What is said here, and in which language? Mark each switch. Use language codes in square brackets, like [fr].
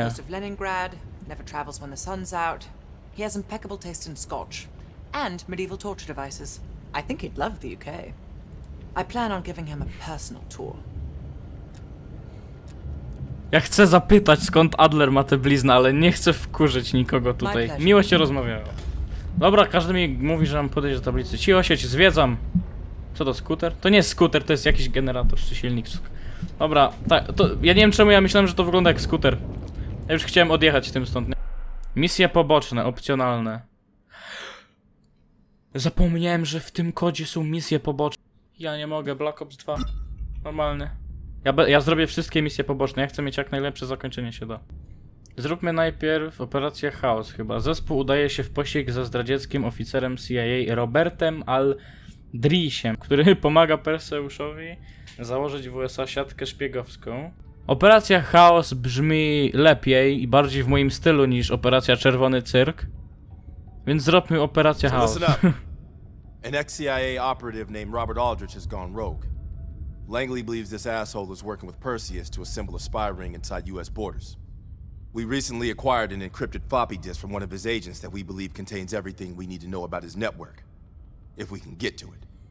[en] Leningrad, never travels when the sun's out. He has impeccable taste in scotch and medieval torture devices. I think he'd love the UK. I plan on giving him a personal tour. [pl] Ja chcę zapytać, skąd Adler ma tę bliznę, ale nie chcę wkurzyć nikogo tutaj. Miło się rozmawiało. Dobra, każdy mi mówi, że mam podejść do tablicy. Cicho się, ci zwiedzam. Co to, skuter? To nie jest skuter, to jest jakiś generator czy silnik. Dobra, tak, to ja nie wiem czemu ja myślałem, że to wygląda jak skuter. Ja już chciałem odjechać tym stąd, nie? Misje poboczne, opcjonalne. Zapomniałem, że w tym kodzie są misje poboczne. Ja nie mogę, Black Ops 2. Normalnie. Ja zrobię wszystkie misje poboczne, ja chcę mieć jak najlepsze zakończenie się da. Zróbmy najpierw operację Chaos chyba. Zespół udaje się w posiłek ze zdradzieckim oficerem CIA Robertem Al... Drisiem, który pomaga Perseuszowi założyć w USA siatkę szpiegowską. Operacja Chaos brzmi lepiej i bardziej w moim stylu niż operacja Czerwony Cyrk. Więc zróbmy operację Chaos. [en] An ex-CIA operative named Robert Aldrich has gone rogue. Langley believes this asshole is working with Perseus to assemble a spy ring inside US borders. We recently acquired an encrypted floppy disk from one of his agents that we believe contains everything we need to know about his network. If we can get to it.